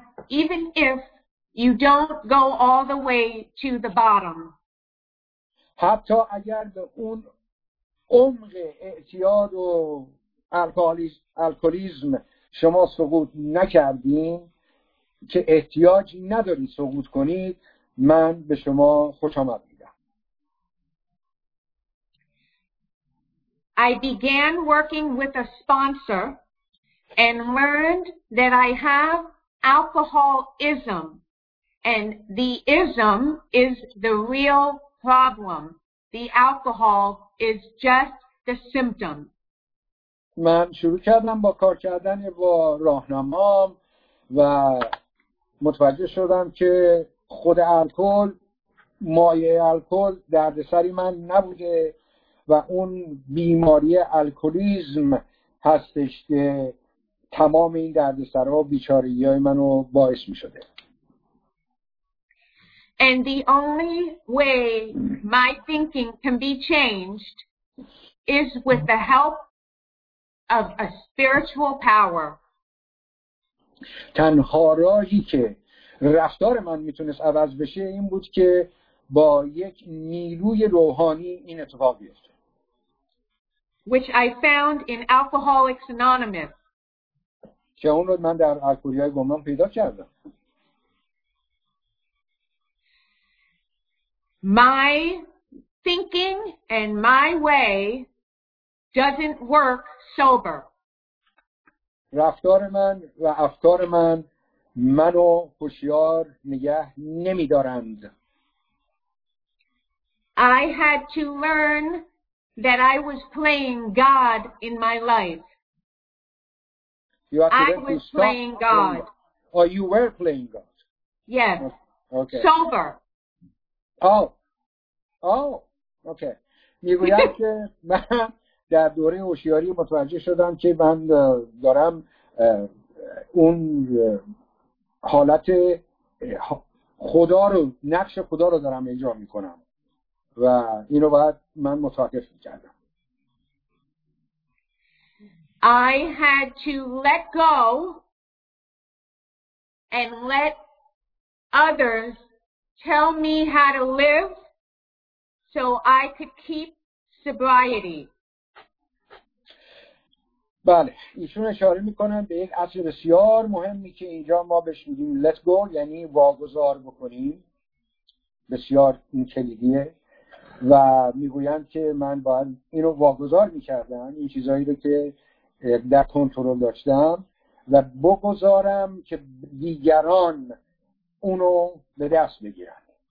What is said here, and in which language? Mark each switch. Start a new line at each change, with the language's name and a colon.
English: Even if you don't go all the way to the bottom.
Persian: حتی اگر به اون عمق اعتیاد و الکولیزم شما سقوط نکردین که احتیاج ندارید سقوط کنید، من به شما خوش آمد میگم.
English: I began working with a sponsor and learned that I have alcoholism and the ism is the real problem. The alcohol is just the symptom.
Persian: من شروع کردم با کار کردن با راهنمام و متوجه شدم که خود الکل، مایه الکل دردسری من نبوده و اون بیماری الکلیزم هستش که تمام این دردسرها و بیچارگی‌های منو باعث می‌شده.
English: And the only way my thinking can be changed is with the help of a spiritual power.
Persian: تنها راهی که رفتار من میتونست عوض بشه این بود که با یک نیروی روحانی این اتفاق بیفته.
English: Which I found in Alcoholics Anonymous.
Persian: که اون رو من در الکلی‌های گمنام پیدا کردم.
English: My thinking and my way doesn't work sober.
Persian: رفتار من و افکار من منو هوشیار نگه نمی‌دارند.
English: I had to learn that I was playing God in my life. You have to I was stop playing God. Or you were playing God. Yes. Okay. Sober. Oh. Okay.
Persian: میگویم که من در دوره هوشیاری متوجه شدم که من دارم اون حالت خدا رو نقش خدا رو دارم اجرا میکنم و اینو باید من متوقف میکردم.
English: I had to let go and let others tell me how to live so I could keep sobriety.
Persian: بله، ایشون اشاره میکنن به یک اصل بسیار مهمی که اینجا ما بهش میگیم
English: let go،
Persian: یعنی واگذار بکنیم، بسیار این کلیدیه و میگویند که من باید اینو واگذار میکردم، این چیزایی رو که در کنترل داشتم و بگذارم که دیگران اونو به دست بگیرن.